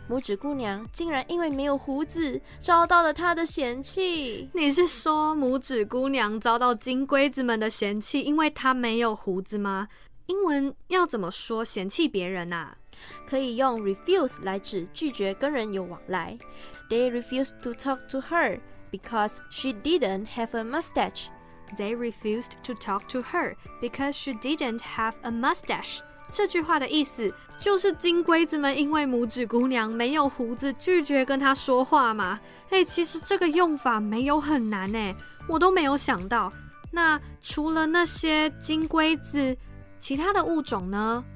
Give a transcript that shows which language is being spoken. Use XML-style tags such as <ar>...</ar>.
<zh>拇指姑娘竟然因为没有胡子遭到了她的嫌弃。你是说拇指姑娘遭到金龟子们的嫌弃，因为她没有胡子吗？英文要怎么说嫌弃别人啊？可以用 refuse 来指拒绝跟人有往来。</zh> <en>They refused to talk to her because she didn't have a mustache. They refused to talk to her because she didn't have a mustache.</en> <zh>这句话的意思就是金龟子们因为拇指姑娘没有胡子拒绝跟她说话嘛。其实这个用法没有很难，我都没有想到。那除了那些金龟子，其他的物种呢？</zh>